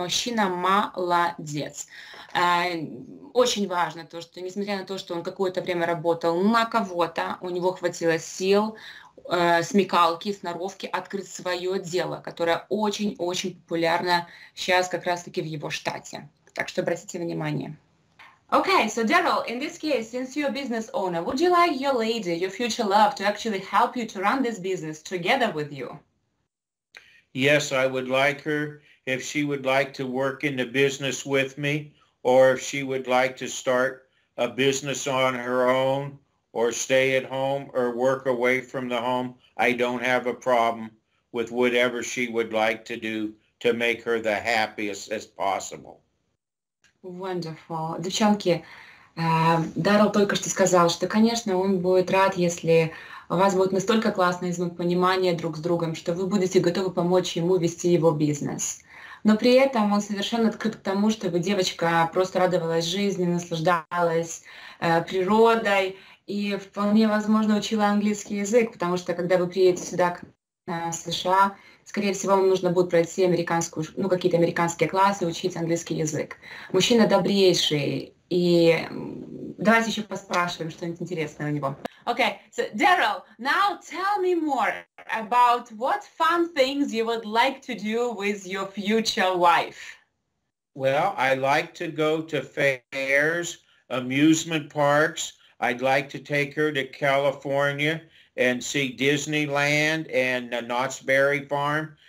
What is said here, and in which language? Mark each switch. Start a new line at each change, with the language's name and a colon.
Russian: Мужчина молодец. Очень важно то, что несмотря на то, что он какое-то время работал на кого-то, у него хватило сил, смекалки, сноровки открыть свое дело, которое очень-очень популярно сейчас как раз-таки в его штате. Так что обратите внимание.
English: Okay, so Daryl, in this case, since you're a business owner, would you like your lady, your future love, to actually help you to run this business together with you? Yes, I would like her if she would like to work in the business with me, or if she would like to start a business on her own or stay at home or work away from the home. I don't have a problem with whatever she would like to do to make her the happiest as possible. Wonderful.
Russian: Девчонки, Дарл только что сказал, что, конечно, он будет рад, если у вас будет настолько классное взаимопонимание друг с другом, что вы будете готовы помочь ему вести его бизнес. Но при этом он совершенно открыт к тому, чтобы девочка просто радовалась жизни, наслаждалась природой и вполне возможно учила английский язык, потому что когда вы приедете сюда, в США, скорее всего, вам нужно будет пройти американскую, ну, какие-то американские классы, учить английский язык. Мужчина добрейший. И давайте еще поспрашиваем что-нибудь интересное у него.
English: Okay, so Daryl, now tell me more about what fun things you would like to do with your future wife. Well, I like to go to fairs, amusement parks. I'd like to take her to California and see Disneyland and Knott's Berry Farm.